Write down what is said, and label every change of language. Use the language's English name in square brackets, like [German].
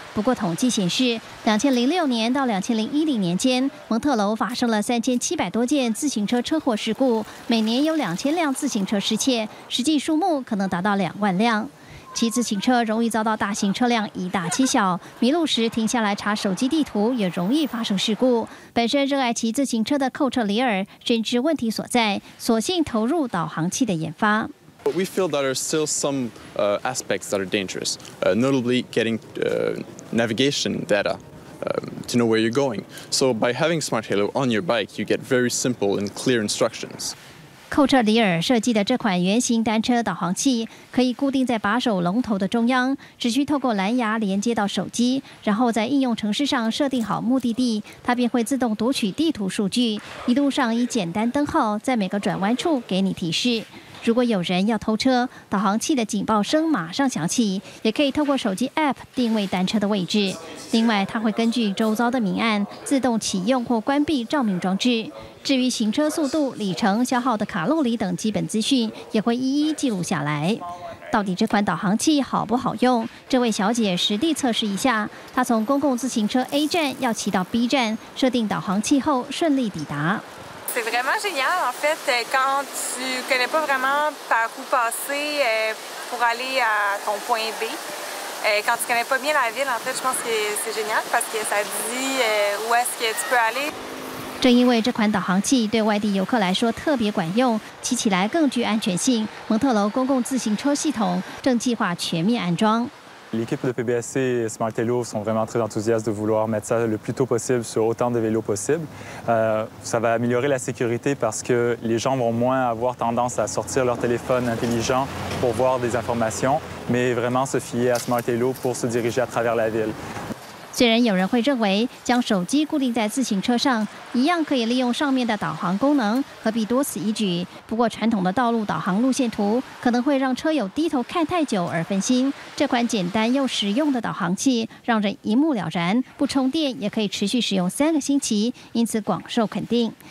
[Chinese] 不过统计显示，2006年到2010年间，蒙特楼发生了3700多件自行车车祸事故，每年有2000辆自行车失窃，实际数目可能达到2万辆。骑自行车容易遭到大型车辆以大欺小，迷路时停下来查手机地图也容易发生事故。本身热爱骑自行车的寇彻里尔深知问题所在，索性投入导航器的研发。 [English] We feel that there are still some aspects that are dangerous, notably getting navigation data to know where you're going. So by having Smart Halo on your bike, you get very simple and clear instructions. [Chinese] 寇彻里尔设计的这款圆形单车导航器可以固定在把手龙头的中央，只需透过蓝牙连接到手机，然后在应用程式上设定好目的地，它便会自动读取地图数据，一路上以简单灯号在每个转弯处给你提示。如果有人要偷车，导航器的警报声马上响起，也可以透过手机 APP 定位单车的位置。另外，它会根据周遭的明暗自动启用或关闭照明装置。至于行车速度、里程、消耗的卡路里等基本资讯，也会一一记录下来。到底这款导航器好不好用？这位小姐实地测试一下，她从公共自行车 A 站要骑到 B 站，设定导航器后顺利抵达。 [French] C'est vraiment génial, en fait, quand tu connais pas vraiment par où passer pour aller à ton point B, quand tu connais pas bien la ville, en fait, je pense que c'est génial parce que ça dit où est-ce que tu peux aller. [Chinese] 正因为这款导航器对外地游客来说特别管用，骑起来更具安全性，蒙特楼公共自行车系统正计划全面安装。 [French] L'équipe de PBSC et Smartello sont vraiment très enthousiastes de vouloir mettre ça le plus tôt possible sur autant de vélos possible. Ça va améliorer la sécurité parce que les gens vont moins avoir tendance à sortir leur téléphone intelligent pour voir des informations, mais vraiment se fier à Smartello pour se diriger à travers la ville. [Chinese] 虽然有人会认为将手机固定在自行车上一样可以利用上面的导航功能，何必多此一举，不过传统的道路导航路线图可能会让车友低头看太久而分心，这款简单又实用的导航器让人一目了然，不充电也可以持续使用三个星期，因此广受肯定。